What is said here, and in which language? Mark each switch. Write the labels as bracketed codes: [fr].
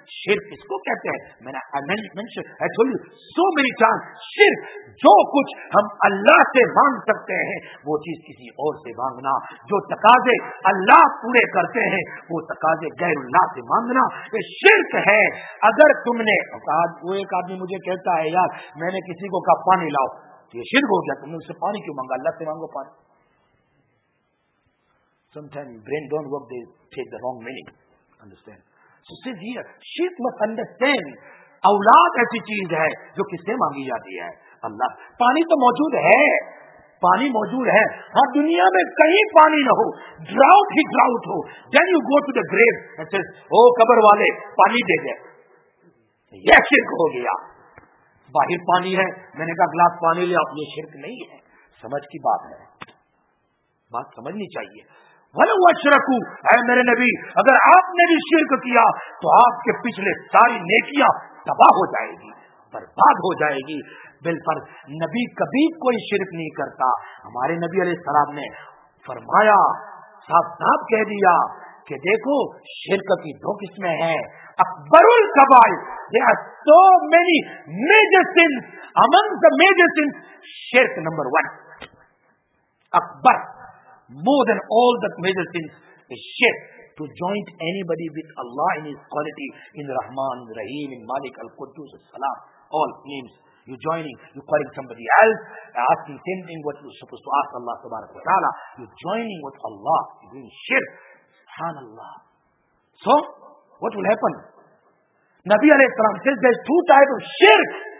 [ur] شرک اس کو کہتے ہیں، [en] I told you so many times، [ur] شرک جو کچھ ہم اللہ سے مانگ سکتے ہیں وہ چیز کسی اور سے مانگنا، جو تقاضے اللہ پورے کرتے ہیں وہ تقاضے غیر اللہ سے مانگنا، یہ شرک ہے. اگر تم نے، وہ ایک آدمی مجھے کہتا ہے یار میں نے کسی کو کہا پانی لاؤ، یہ شرک ہو گیا، تم نے اس سے پانی کیوں مانگا؟ اللہ سے مانگو پانی. [en] Sometimes brain don't work, they take the wrong meaning. Understand? So says here, shirk must understand. [ur] اولاد ایسی چیز ہے جو کس سے مانگی جاتی ہے؟ اللہ. پانی تو موجود ہے، پانی موجود ہے، ہاں دنیا میں کہیں پانی نہ ہو، drought he drought ہو، [en] then you go to the grave and says, [ur] او قبر والے پانی دے دے، یہ شرک ہو گیا. باہر پانی ہے، میں نے کہا گلاس پانی لیا، یہ شرک نہیں ہے. سمجھ کی بات ہے، بات سمجھنی چاہیے. ولو اشرکو، اے میرے نبی اگر آپ نے بھی شرک کیا تو آپ کے پچھلے ساری نیکیاں تباہ ہو جائے گی، برباد ہو جائے گی. بالفرض نبی کبھی کوئی شرک نہیں کرتا. ہمارے نبی علیہ السلام نے فرمایا، صاف صاف کہہ دیا کہ دیکھو شرک کی دو قسمیں ہیں، اکبر القبائر، [en] there are so many major sins، among the major sins [ur] شرک number one, Akbar, [en] more than all the major sins is shirk. To join anybody with Allah in his quality, in Rahman, in Rahim, in Malik, Al-Quddus, Al-Salam, all names, you joining, you calling somebody else, asking same thing what you're supposed to ask Allah subhanahu wa ta'ala, you joining with Allah, you doing shirk. Subhanallah. So what will happen? Nabi alayhi salam says there's two types of shirk.